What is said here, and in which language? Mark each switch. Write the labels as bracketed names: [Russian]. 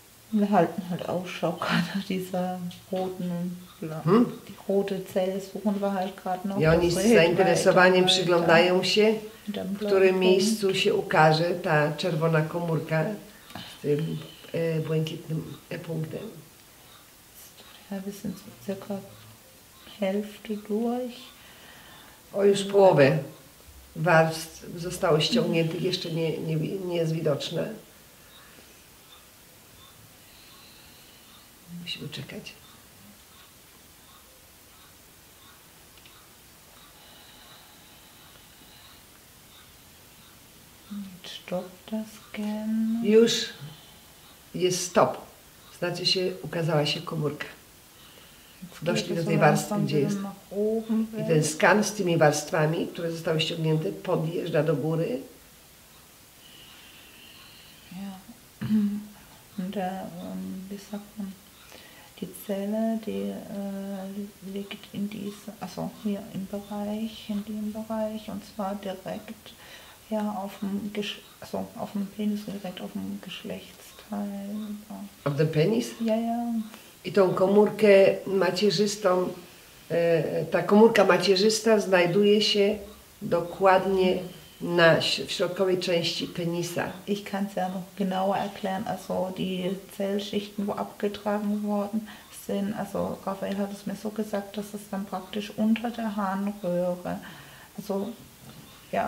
[German] Wir halten halt Ausschau gerade nach dieser roten, die rote Zelle suchen wir halt gerade noch. [Polish] I oni z zainteresowaniem przyglądają się, w którym miejscu się ukaże ta czerwona komórka z tym błękitnym punktem. [German] Ja, wir sind circa Hälfte durch. [Polish] O, już połowę warstw zostało ściągniętych, jeszcze nie jest widoczne. Musimy czekać. [English] Stop the scan. [Polish] Już jest stop. Znaczy się, ukazała się komórka. Doszli do tej warstwy, gdzie jest. I ten skan z tymi warstwami, które zostały ściągnięte, podjeżdża do góry. Ja. Wysokon. [German] Die Zelle, die liegt in diesem, also hier im Bereich, in dem Bereich, und zwar direkt ja, auf dem Penis, direkt auf dem Geschlechtsteil. Auf dem Penis? Ja, ja. [Polish] I tą komórkę macierzystą, ta komórka macierzysta znajduje się dokładnie w środkowej części penisa. [German] Ich kann es ja noch genauer erklären. Also die Zellschichten, wo abgetragen worden sind, also Raphael hat es mir so gesagt, dass es dann praktisch unter der Harnröhre, also ja.